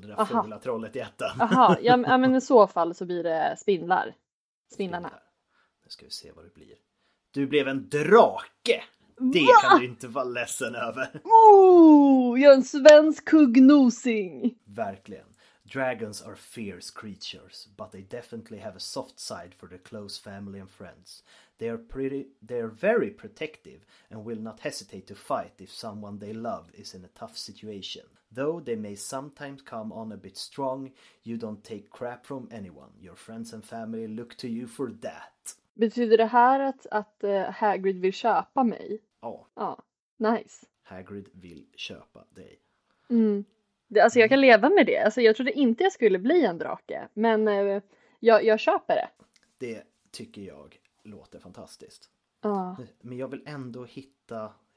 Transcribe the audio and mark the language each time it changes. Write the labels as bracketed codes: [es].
[sv] Det där fula trollet i ettan. Jaha, ja, men i så fall så blir det spindlar. Spindlarna. Nu ska vi se vad det blir. Du blev en drake! Det kan du inte vara ledsen över. Oh, jag är en svensk kuggnosing. Verkligen. [en] Dragons are fierce creatures, but they definitely have a soft side for their close family and friends. They are very protective and will not hesitate to fight if someone they love is in a tough situation. Though they may sometimes come on a bit strong, you don't take crap from anyone. Your friends and family look to you for that. [sv] Betyder det här att Hagrid vill köpa mig? Ja. Ja, nice. Hagrid vill köpa dig. Mm. Alltså jag kan leva med det. Alltså jag trodde inte jag skulle bli en drake. Men jag köper det. Det tycker jag låter fantastiskt. Men jag vill ändå hitta...